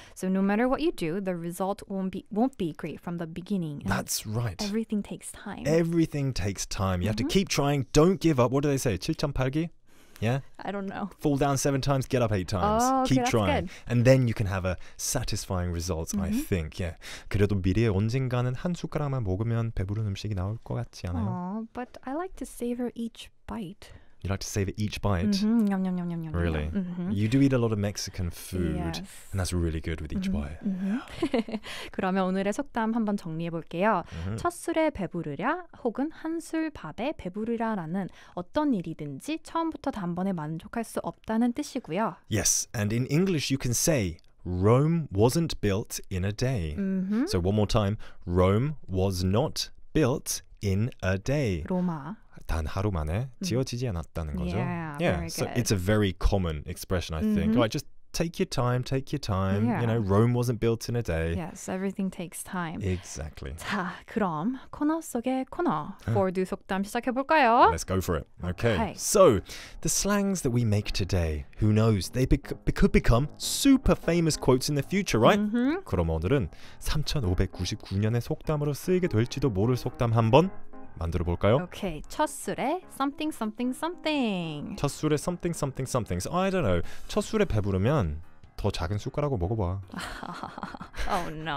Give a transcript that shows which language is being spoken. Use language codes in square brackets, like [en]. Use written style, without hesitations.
[en] So no matter what you do, the result won't be great from the beginning. And that's right. Everything takes time. You have to keep trying. Don't give up. What do they say? [ko] 7,8기? [en] Yeah? I don't know. Fall down 7 times, get up 8 times. Oh, okay, keep trying. That's good. And then you can have a satisfying result, I think. Yeah. [ko] 그래도 미래에 언젠가는 한 숟가락만 먹으면 배부른 음식이 나올 것 같지 않아요? [en] Oh, but I like to savor each bite. You like to savor each bite? Yum, yum, yum, yum, yum. Really? Mm-hmm. You do eat a lot of Mexican food. Yes. And that's really good with each bite. Yeah. [ko] 그러면 오늘의 속담 한번 정리해 볼게요. 첫 술에 배부르랴 혹은 한 술 밥에 배부르랴라는 어떤 일이든지 처음부터 단번에 만족할 수 없다는 뜻이고요. [en] Yes, and in English you can say Rome wasn't built in a day. So one more time. Rome was not built in a day. [ko] 로마. 단 하루 만에 지어지지 않았다는 거죠. [en] Yeah, yeah. Very so good. It's a very common expression, I think. Like, just take your time. Yeah. You know, Rome wasn't built in a day. Yes, everything takes time. Exactly. [ko] 자, 그럼 코너 속의 코너, 4D 속담 시작해볼까요? [en] Let's go for it. Okay. So, the slangs that we make today, who knows, they could become super famous quotes in the future, right? Mm-hmm. [ko] 그럼 오늘은 3599년의 속담으로 쓰이게 될지도 모를 속담 한번 만들어 볼까요? [en] Okay, [ko] 첫 술에 [en] something something something. [ko] 첫 술에 [en] something something something. So I don't know. [ko] 첫 술에 배부르면 더 작은 숟가락으로 먹어봐. [en] Oh no.